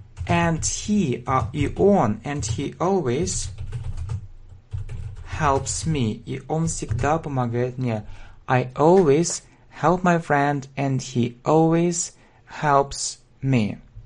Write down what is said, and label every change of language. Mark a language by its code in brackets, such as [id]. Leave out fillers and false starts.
[en] And he, [ru] и он, [en] and he always helps me. [ru] И он всегда помогает мне. [en] I always help my friend and he always helps me.